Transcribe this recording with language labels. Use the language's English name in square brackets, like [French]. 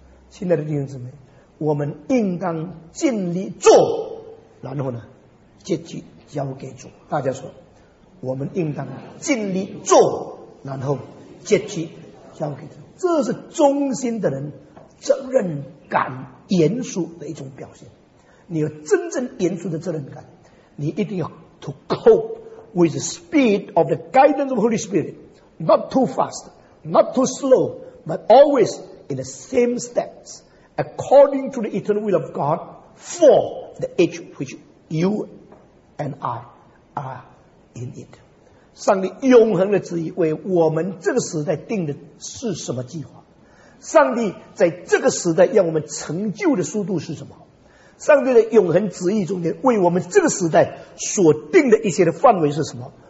[Chinese] 亲爱的弟兄姊妹，我们应当尽力做，然后呢结局交给主。大家说，我们应当尽力做，然后结局交给主。这是忠心的人责任感严肃的一种表现。你有真正严肃的责任感，你一定要 [English] to cope with the speed of the guidance of Holy SpiritNot too fast, not too slow, but always in the same steps, according to the eternal will of God for the age which You and I are in it. [Chinese] 上帝永恒的旨意为我们这个时代定的是什么计划？上帝在这个时代要我们成就的速度是什么？上帝的永恒旨意中间为我们这个时代所定的一些的范围是什么？